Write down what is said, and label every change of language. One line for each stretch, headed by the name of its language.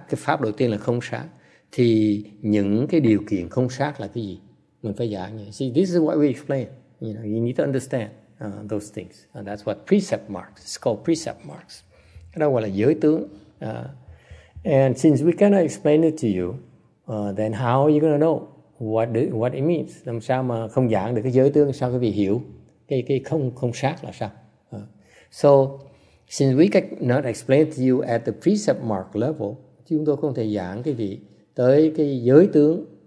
Vietnamese: Cái pháp đầu tiên là không sát. Thì những cái điều kiện không sát là cái gì? Mình phải giảng như
English: see, this is what we explain. You know, you need to understand those things. And that's what precept marks. It's called precept marks.
Vietnamese: Cái đó gọi là giới tướng.
English: And since we cannot explain it to you, then how are you going to know what it means?
Vietnamese: Làm sao mà không giảng được cái giới tướng, sao quý vị hiểu cái không sát là sao?
English: So since we cannot explain to you at the precept mark level,
Vietnamese: chúng tôi không thể giảng cái gì tới cái giới tướng.